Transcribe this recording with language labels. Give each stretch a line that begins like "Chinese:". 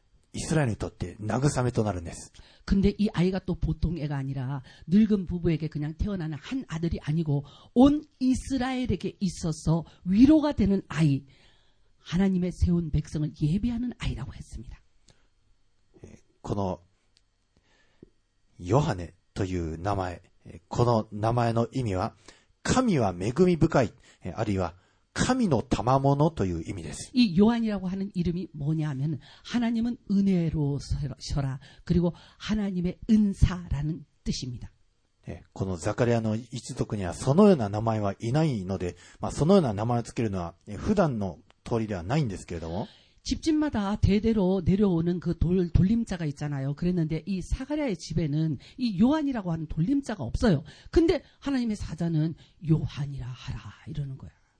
Japanese: そしてその子供はですね単に一老夫婦に慰めが与えられるにとどまらず全イスラエルにとって慰めとなるんです。
Korean: 근데 이 아이가 또 보통 애가 아니라 늙은 부부에게 그냥 태어나는 한 아들이 아니고 온 이스라엘에게 있어서 위로가 되는 아이, 하나님의 세운 백성을 예비하는 아이라고 했습니다.
Japanese: このヨハネという名前、この名前の意味は神は恵み深い、あるいは神の賜物という意味です。
Korean: 이 요한이라고 하는 이름이 뭐냐면 하나님은 은혜로서라 그리고 하나님의 은사라는 뜻입니다.
Japanese: 네, このザカリアの一族にはそのような名前はいないので、そのような名前をつけるのは普段の通りではないんですけれども。
Korean: 집집마다 대대로 내려오는 그 돌림자가 있잖아요. 그랬는데 이 사가랴의 집에는 이 요한이라고 하는 돌림자가 없어요. 근데 하나님의 사자는 요한이라 하라 이러는 거야.